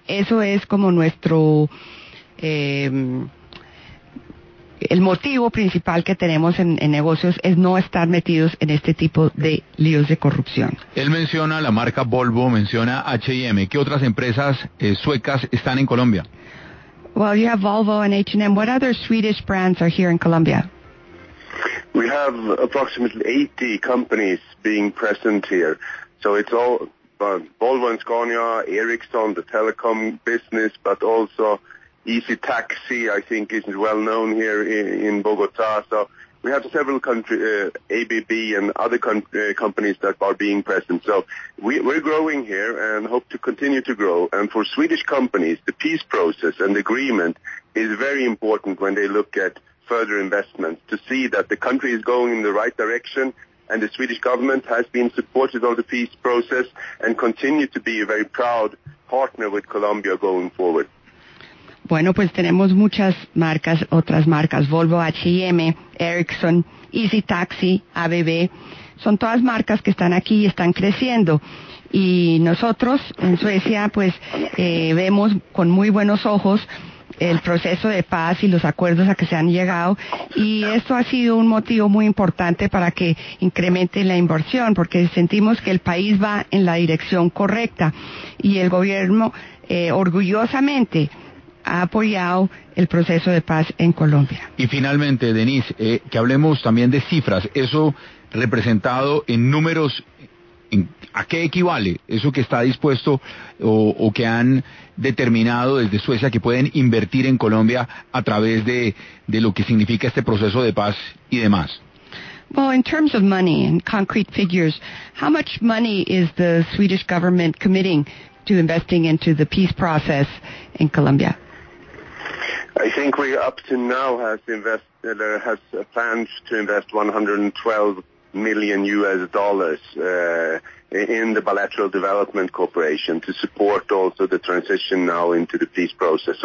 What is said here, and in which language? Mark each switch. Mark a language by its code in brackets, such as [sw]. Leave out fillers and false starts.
[es] Eso es como nuestro el motivo principal que tenemos en negocios, es no estar metidos en este tipo de líos de corrupción. Él menciona la marca Volvo, menciona H&M. ¿Qué otras empresas suecas están en Colombia? [en] Well, you have Volvo and H&M. What other Swedish brands are here in Colombia? We have approximately 80 companies being present here. So it's all Volvo and Scania, Ericsson, the telecom business, but also Easy Taxi, I think, isn't well known here in Bogota. So we have several countries, ABB and other companies that are being present. So we're growing here and hope to continue to grow. And for Swedish companies, the peace process and agreement is very important when they look at further investments, to see that the country is going in the right direction and the Swedish government has been supportive of the peace process and continue to be a very proud partner with Colombia going forward. [es] Bueno, pues tenemos muchas marcas, otras marcas, Volvo, H&M, Ericsson, Easy Taxi, ABB. Son todas marcas que están aquí y están creciendo. Y nosotros en Suecia, pues vemos con muy buenos ojos el proceso de paz y los acuerdos a que se han llegado. Y esto ha sido un motivo muy importante para que incremente la inversión, porque sentimos que el país va en la dirección correcta. Y el gobierno, orgullosamente, ha apoyado el proceso de paz en Colombia. Y finalmente, Denise, que hablemos también de cifras. Eso representado en números, ¿a qué equivale eso que está dispuesto o que han determinado desde Suecia que pueden invertir en Colombia a través de lo que significa este proceso de paz y demás? [en] Well, in terms of money and concrete figures, how much money is the Swedish government committing to investing into the peace process in Colombia? I think we up to now has planned to invest $112 million in the bilateral development cooperation to support also the transition now into the peace process.